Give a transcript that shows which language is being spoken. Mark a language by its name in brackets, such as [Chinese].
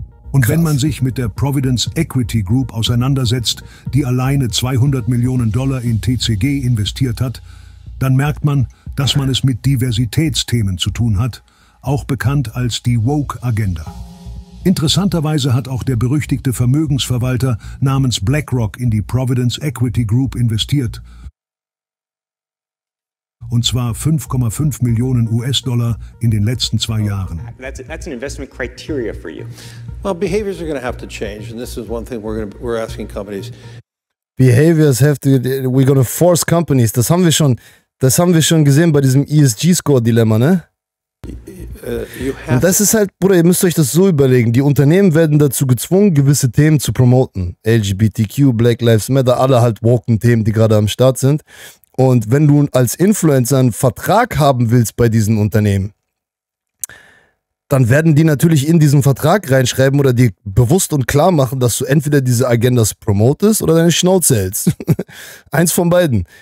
[German] Und Krass. Wenn man sich mit der Providence Equity Group auseinandersetzt, die alleine 200 Millionen Dollar in TCG investiert hat, dann merkt man, dass man es mit Diversitätsthemen zu tun hat, auch bekannt als die Woke Agenda. Interessanterweise hat auch der berüchtigte Vermögensverwalter namens BlackRock in die Providence Equity Group investiert. Und zwar 5,5 Millionen US-Dollar in den letzten zwei Jahren. [English] That's an investment criteria for you. Well, behaviors are going to have to change, and this is one thing we're asking companies. Behaviors have to, we're going to force companies. [German] Das haben wir schon gesehen bei diesem ESG-Score-Dilemma, ne? Und das ist halt, Bruder, ihr müsst euch das so überlegen. Die Unternehmen werden dazu gezwungen, gewisse Themen zu promoten. LGBTQ, Black Lives Matter, alle halt woken Themen, die gerade am Start sind. Und wenn du als Influencer einen Vertrag haben willst bei diesen Unternehmen, dann werden die natürlich in diesen Vertrag reinschreiben oder dir bewusst und klar machen, dass du entweder diese Agendas promotest oder deine Schnauze hältst. Eins von beiden.